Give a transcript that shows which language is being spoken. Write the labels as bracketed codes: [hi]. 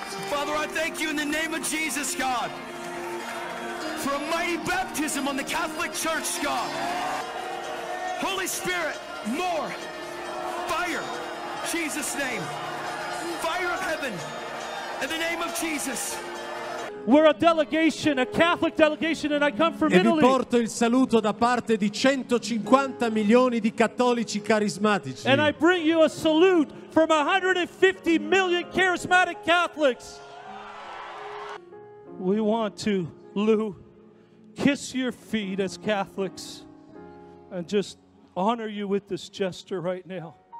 [en] Father, I thank you in the name of Jesus, God, for a mighty baptism on the Catholic Church, God. Holy Spirit, more fire, Jesus' name, fire of heaven, in the name of Jesus. We're a delegation, a Catholic delegation, and I come from [it] e [en] Italy. [it] E vi porto il saluto da parte di 150 milioni di cattolici carismatici. [en] And I bring you a salute from 150 million charismatic Catholics. We want to, Lou, kiss your feet as Catholics and just honor you with this gesture right now.